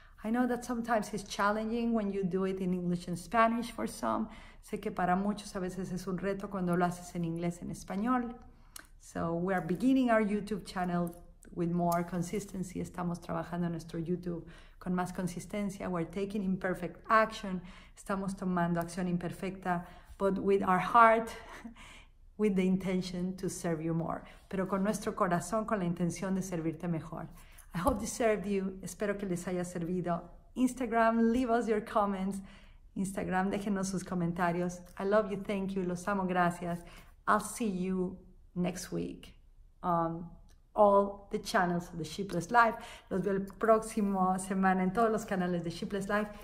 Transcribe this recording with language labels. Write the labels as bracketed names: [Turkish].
[English] I know that sometimes it's challenging when you do it in English and Spanish for some. [Spanish] Sé que para muchos a veces es un reto cuando lo haces en inglés en español. [English] So we are beginning our YouTube channel with more consistency. [Spanish] Estamos trabajando nuestro YouTube con más consistencia. [English] We're taking imperfect action. [Spanish] Estamos tomando acción imperfecta, [English] but with our heart, with the intention to serve you more. [Spanish] Pero con nuestro corazón, con la intención de servirte mejor. [English] I hope this served you. [Spanish] Espero que les haya servido. [English] Instagram, leave us your comments. [Spanish] Instagram, déjenos sus comentarios. [English] I love you. Thank you. [Spanish] Los amo. Gracias. [English] I'll see you next week on all the channels of the Sheepless Life. [Spanish] Los veo el próximo semana en todos los canales de Sheepless Life.